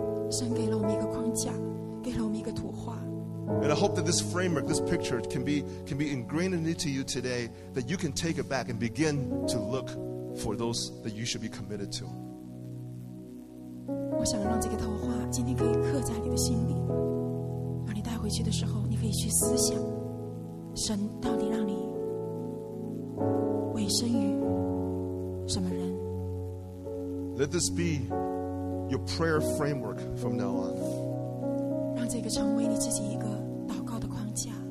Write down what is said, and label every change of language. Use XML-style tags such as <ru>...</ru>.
<zh>神给了我们一个框架，给了我们一个图画。</zh> <en>And I hope that this framework, this picture, can be ingrained into you today, that you can take it back and begin to look for those that you should be committed to.</en> <zh>我想让这个图画今天可以刻在你的心里，让你带回去的时候，你可以去思想，神到底让你委身于什么人。</zh> <en>Let this be your prayer framework from now on.</en> <zh>让这个成为你自己一个祷告的框架。</zh>